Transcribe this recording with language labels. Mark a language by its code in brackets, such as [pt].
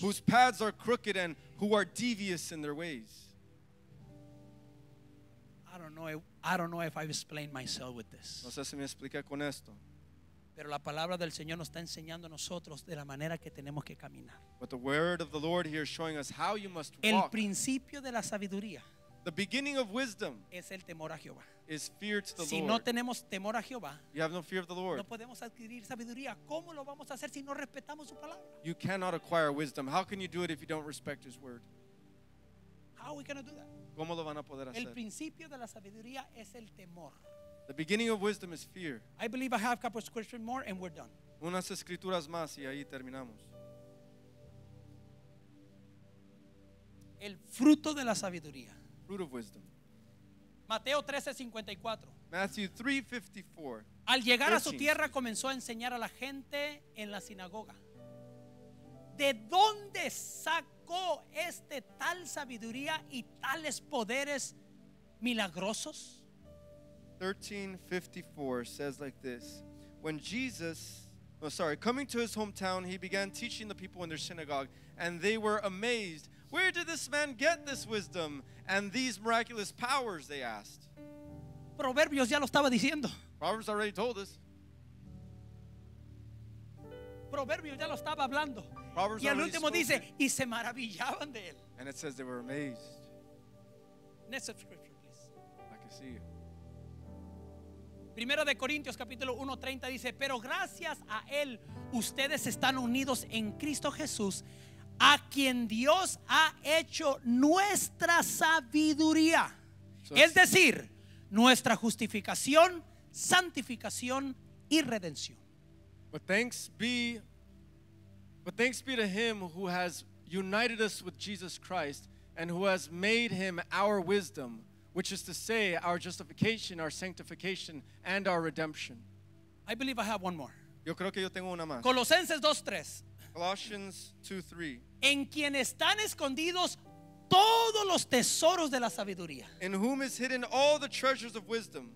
[en] Whose paths are crooked and who are devious in their ways. I don't know if I've explained myself with this. [es] No sé si me expliqué con esto. Pero la palabra del Señor nos está enseñando a nosotros de la manera que tenemos que caminar. [en] But the word of the Lord here is showing us how you must walk. [es] El principio de la sabiduría. [en] The beginning of wisdom [es] es el temor a Jehová. [en] Is fear to the [es] si [en] Lord. [es] No tenemos temor a Jehová, [en] you have no fear of the Lord. [es] No podemos adquirir sabiduría. ¿Cómo lo vamos a hacer si no respetamos su palabra? [en] You cannot acquire wisdom. How can you do it if you don't respect his word? How are we going to do that? [es] ¿Cómo lo van a poder hacer? El principio de la sabiduría es el temor. [en] The beginning of wisdom is fear. I believe I have a couple of scriptures more and we're done. [es] Unas escrituras más y ahí terminamos. El fruto de la sabiduría. [en] Fruit of wisdom. [es] Mateo 13:54. [en] Matthew 3:54. [es] Al llegar a su tierra comenzó a enseñar a la gente en la sinagoga. ¿De dónde sacó este tal sabiduría y tales poderes milagrosos? [en] 13:54 says like this. When Jesus, coming to his hometown, he began teaching the people in their synagogue, and they were amazed. Where did this man get this wisdom and these miraculous powers, they asked. [es] Proverbios ya lo estaba diciendo. [en] Proverbs already told us. [es] Proverbios ya lo estaba hablando. [en] Proverbs [es] y al último dice, y se maravillaban de él. [en] And it says they were amazed. Next scripture, please. I can see you. [es] Primera de Corintios capítulo 1:30 dice, pero gracias a él ustedes están unidos en Cristo Jesús, a quien Dios ha hecho nuestra sabiduría, es decir, nuestra justificación, santificación y redención. [en] But thanks be to him who has united us with Jesus Christ and who has made him our wisdom, which is to say our justification, our sanctification and our redemption. I believe I have one more. [es] Yo creo que yo tengo una más. Colosenses 2:3. [en] Colossians 2:3. [es] En quien están escondidos todos los tesoros de la sabiduría. [en] In whom is hidden all the treasures of wisdom.